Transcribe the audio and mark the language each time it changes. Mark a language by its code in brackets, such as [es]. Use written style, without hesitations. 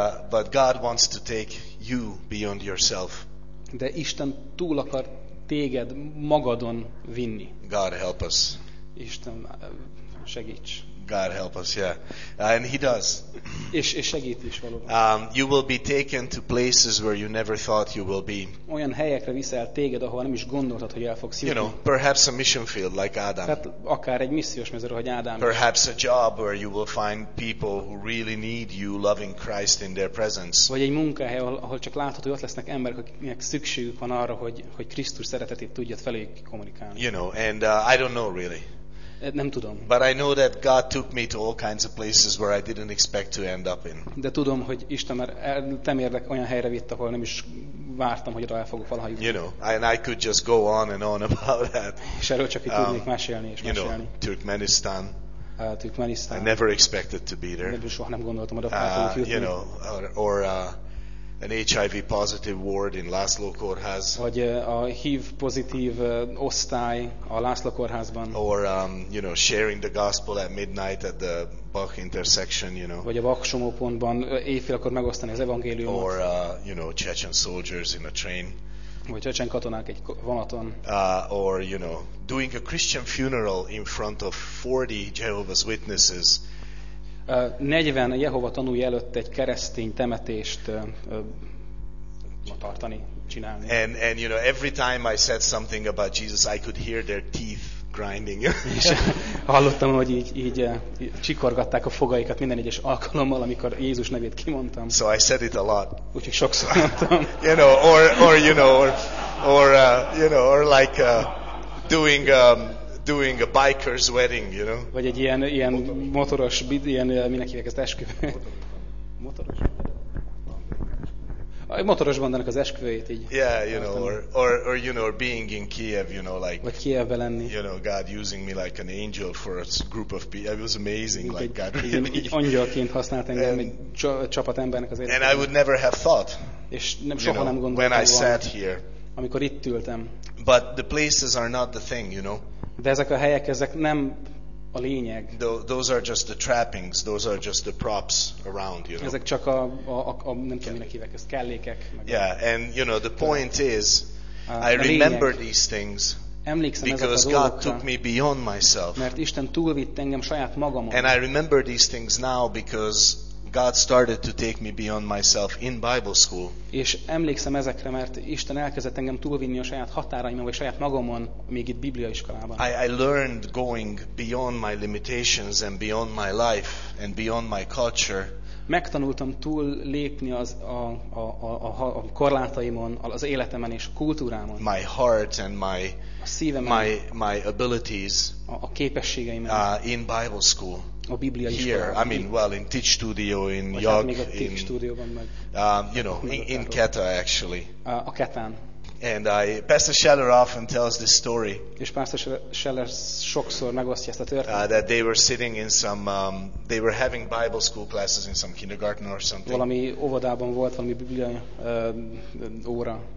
[en] But God wants to take you beyond yourself. [hu] De Isten túl akar téged magadon vinni. [en] God help us. [hu] Isten segíts. [en] God help us, yeah. And he does. [hu] És segít is valóban. [en] You will be taken to places where you never thought you will be. [hu] Olyan helyekre viszel téged, ahova nem is gondoltad, hogy el fogsz jutni. [en] You know, perhaps a mission field like Adam. [hu] Tehát akár egy missziós mezőről, hogy Ádám. [en] Perhaps a job where you will find people who really need you loving Christ in their presence. [hu] Vagy egy munkahely, ahol csak látható, hogy ott lesznek emberek, akiknek szükségük van arra, hogy Krisztus szeretetét tudjad feléjük kommunikálni. [en] You know, and I don't know really. [hu] Nem tudom. [en] But I know that God took me to all kinds of places where I didn't expect to end up in. [hu] De tudom, hogy Isten már temérlek olyan helyre vitt, ahol nem is vártam, hogy el fogok valaha jutni. [en] You know, and I could just go on and on about that. [hu] És erről csak így tudnék mesélni és you mesélni. [en] Know, Turkmenistan. Turkmenistan. I never expected to be there. [hu] Nem, soha nem gondoltam, hogy ott fogok jutni. [en] You know, or an HIV positive ward in László kórház. [hu] Vagy a HIV pozitív osztály a László kórházban. [en] Or you know, sharing the gospel at midnight at the Bach intersection, you know. [hu] Vagy a Vaksomó pontban éjfélkor megosztani az evangéliumot. [en] Or you know, Chechen soldiers in a train. [hu] Vagy Csecsen katonák egy vonaton. [en] Or you know, doing a Christian funeral in front of 40 Jehovah's Witnesses. [hu] 40 Jehova tanúi előtt egy keresztény temetést tartani, csinálni. [en] And you know, every time I said something about Jesus, I could hear their teeth grinding. [hu] És hallottam, hogy így csikorgatták a fogaikat minden egyes alkalommal, amikor Jézus nevét kimondtam. [en] So I said it a lot. [hu] Úgyhogy sokszor mondtam. [en] You know, doing a biker's wedding, you know. [hu] Vagy egy ilyen motoros, ilyen minek hívják ezt, esküvő. Motoros. Egy motoros bandának az esküvőjét így. [en] Yeah, you know, or you know, being in Kiev, you know, like. [hu] Vagy Kievbe lenni. [en] You know, God using me like an angel for a group of people. It was amazing, [hu] mint [en] like [hu] egy, [en] God really. [hu] Így angyalként használt engem egy csapat embernek az életében. [en] And I would never have thought. [hu] És nem soha [en] know, [hu] nem gondoltam [en] when I sat here. [hu] Amikor itt ültem. [en] But the places are not the thing, you know. [hu] De ezek a helyek, ezek nem a lényeg. [en] Those are just the trappings, those are just the props around, you know. [hu] Ezek csak a nem tudom, minek hívek ezt, kellékek. [en] Yeah, and you know, the point is, I remember these things. [hu] Emlékszem ezekre az [en] dolgokra. Because God took me beyond myself. [hu] Mert Isten túlvitt engem saját magamon. [en] And I remember these things now because God started to take me beyond myself in Bible school. [hu] És emlékszem ezekre, mert Isten elkezdett engem túlvinni a saját határaimon vagy saját magamon még itt Bibliaiskolában. [en] I learned going beyond my limitations and beyond my life and beyond my culture. [hu] Megtanultam túl lépni az a korlátaimon, az életemen és a kultúrámon. [en] My heart and my my abilities. [hu] A képességeimen. [en] In Bible school. [hu] A Biblia iskolában. Here, iskolában. [en] I mean, well, in Teach Studio, in YOG, in [hu] stúdióban meg. [en] You know, in Keta actually. [hu] A Ketán. [en] And Pastor Scheller often tells this story. [hu] És Pastor Scheller sokszor megosztja ezt a történetet. [en] That they were sitting in some, they were having Bible school classes in some kindergarten or something. [hu] Valami óvodában volt valami Biblia óra.